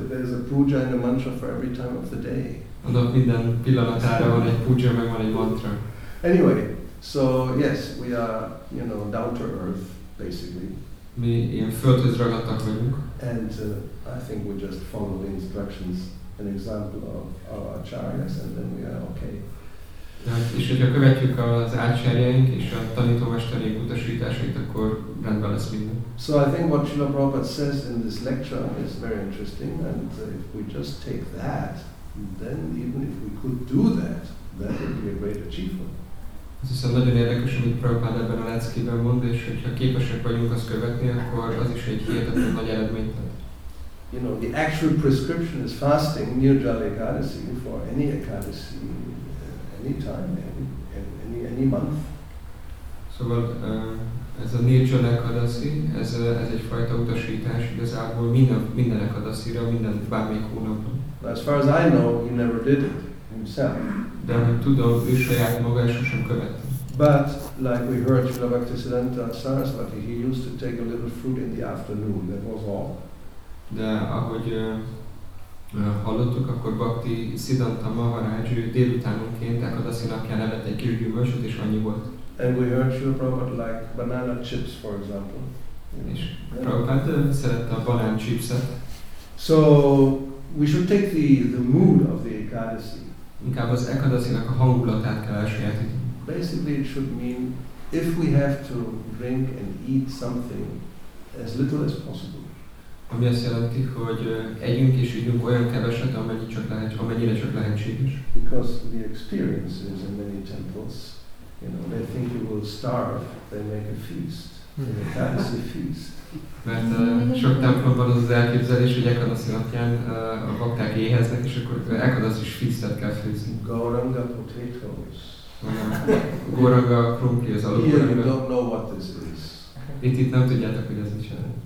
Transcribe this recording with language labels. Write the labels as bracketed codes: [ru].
[en] There's a puja and a mantra for every time of the day. [hu] A nap minden pillanatára van egy puja, meg van egy mantra. [en] Anyway, so yes, we are, you know, down to earth, basically. [hu] Mi ilyen földhöz ragadtak vagyunk. [en] And I think we just follow the instructions, an example of our acharyas, and then we are okay. [hu] És hogyha követjük az ácsárjaink és a tanítómesterünk utasításait, akkor rendben lesz minden. [en] So I think what Srila Prabhupada says in this lecture is very interesting, and if we just take that, then even if we could do that, that would be a great achievement. [hu] Ez hiszen nagyon érdekes, amit Prabhupada ebben a leckében mond, és hogyha képesek vagyunk azt követni, akkor az is egy hihetetlen nagy eredményt ad. [en] You know, the actual prescription is fasting, Nirjala Ekadasi, for any Ekadasi, any time, any month. [hu] Szóval ez a Nirjala Ekadasi, ez egyfajta utasítás igazából minden Ekadasira, minden bármelyik hónapban. [en] But as far as I know, he never did it himself. [hu] De amit tudom, ő saját maga is sem követte. [en] But like we heard Srila Bhaktisiddhanta Saraswati, he used to take a little fruit in the afternoon, that was all. [hu] De ahogy hallottuk, akkor Bhakti Siddhanta Maharaj délutánonként Ekadasi napján evett egy kis gyümölcsöt, és annyi volt. [en] And we heard Srila Prabhupada like banana chips, for example. [hu] És Prabhupada szerette a banán chipset. [en] So we should take the mood of the Ekadasi. [hu] Inkább az Ekadasinak a hangulatát kell elsajátítani. [en] Basically it should mean, if we have to drink and eat something, as little as possible. [hu] Ami azt jelenti, hogy együnk és ügyünk olyan keveset, amennyire csak lehetséges. [en] Because the experiences in many temples, you know, they think you will starve, they make a feast, an Ekadasi feast. [hu] Mert sok templomban az elképzelés, hogy Ekadasi napján a bakták éheznek, és akkor Ekadasi is fisztet kell főzni. [en] Goranga potatoes. [hu] Goranga krumpli az alapjára. [en] Here you don't know what this is. [hu] Itt nem tudjátok, hogy ez mit jelent.